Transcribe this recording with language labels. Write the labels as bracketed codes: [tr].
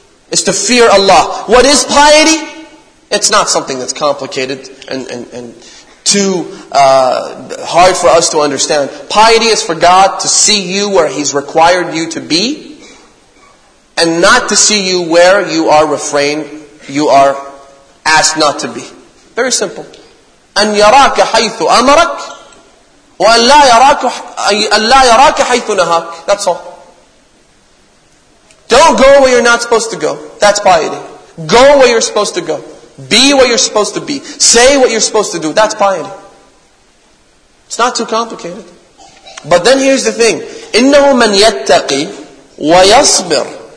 [en] It's to fear Allah. What is piety? It's not something that's complicated and too hard for us to understand. Piety is for God to see you where He's required you to be, and not to see you where you are refrained, you are asked not to be. Very simple. [ar] أن يراك حيث أمرك وأن لا يراك أن لا يراك حيث نهاك. [en] That's all. Don't go where you're not supposed to go. That's piety. Go where you're supposed to go. Be what you're supposed to be. Say what you're supposed to do. That's piety. It's not too complicated. But then here's the thing. [ar] إِنَّهُ مَنْ يَتَّقِي وَيَصْبِرُ.